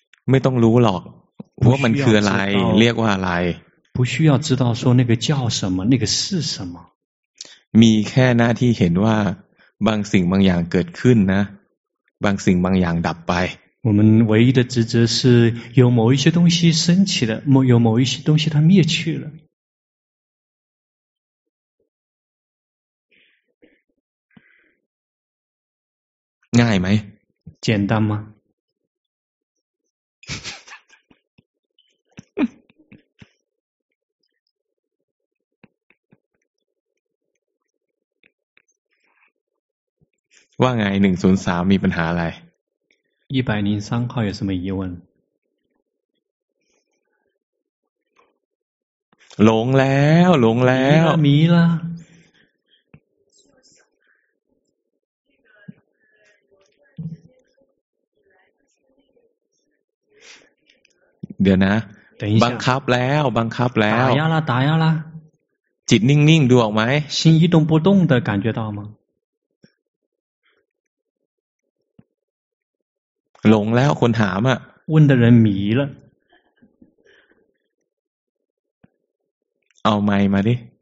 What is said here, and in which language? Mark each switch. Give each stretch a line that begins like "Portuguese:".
Thai: ไม่ต้องรู้หรอกว่ามันคืออะไรเรียกว่าอะไร
Chinese: 不需要知道说那个叫什么那个是什么
Thai: มีแค่หน้าที่เห็นว่าบางสิ่งบางอย่างเกิดขึ้นนะบางสิ่งบางอย่างดับไป
Chinese: 我们唯一的职责是有某一些东西升起了有某一些东西它灭去了
Thai: ง่ายไหม
Chinese: 简单吗
Thai: ว่าไง103มีปัญหาอะไร
Chinese: 103ข้อ有什么疑问
Thai: หลงแล้วหลงแล้ว มีละ เดี๋ยวนะบังคับแล้วบังคับแล้ว ตายแล้วตายแล้ว จิตนิ่งๆดูออกไหม
Chinese: 心一动不动的感觉到吗
Thai: หลงแล้วคนถามอ่ะ
Chinese: 问的人迷了
Thai: เอาไมค์มาดิ